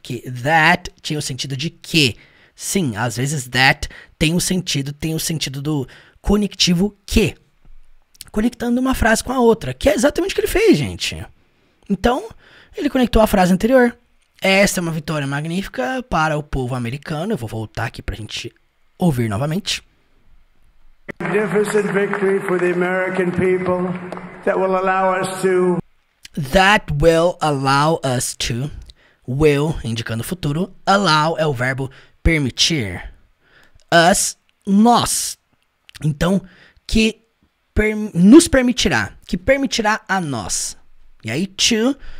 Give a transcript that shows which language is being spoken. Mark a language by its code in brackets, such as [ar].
[pt] Que that tinha o sentido de que. Sim, às vezes that tem o sentido do conectivo que. Conectando uma frase com a outra. Que é exatamente o que ele fez, gente. Então, ele conectou a frase anterior. Essa é uma vitória magnífica para o povo americano. Eu vou voltar aqui pra gente ouvir novamente. [en] Magnificent victory for the American people that will allow us to... That will allow us to, [pt] will, indicando o futuro, allow é o verbo permitir, us, nós, então, que nos permitirá, que permitirá a nós, e aí to,